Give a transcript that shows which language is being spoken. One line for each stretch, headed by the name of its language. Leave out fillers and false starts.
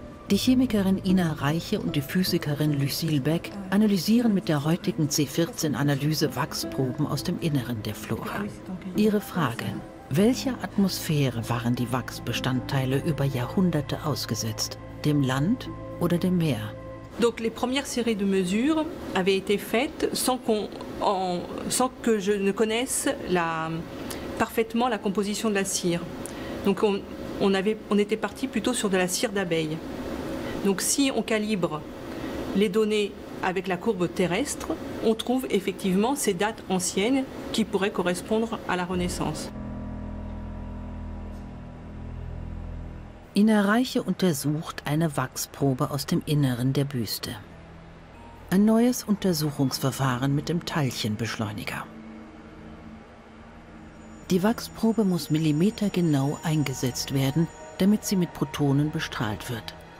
German: Die Chemikerin Ina Reiche und die Physikerin Lucille Beck analysieren mit der heutigen C14-Analyse Wachsproben aus dem Inneren der Flora. Ihre Frage: Welcher Atmosphäre waren die Wachsbestandteile über Jahrhunderte ausgesetzt? Dem Land oder dem Meer?
French: Donc les premières séries de mesures avaient été faites sans que je ne connaisse parfaitement la composition de la cire. Donc on était parti plutôt sur de la cire d'abeille. Donc si on calibre les données avec la courbe terrestre, on trouve effectivement ces dates anciennes qui pourraient correspondre à la Renaissance.
German: Ina Reiche untersucht eine Wachsprobe aus dem Inneren der Büste. Ein neues Untersuchungsverfahren mit dem Teilchenbeschleuniger. Die Wachsprobe muss millimetergenau eingesetzt werden, damit sie mit Protonen bestrahlt wird.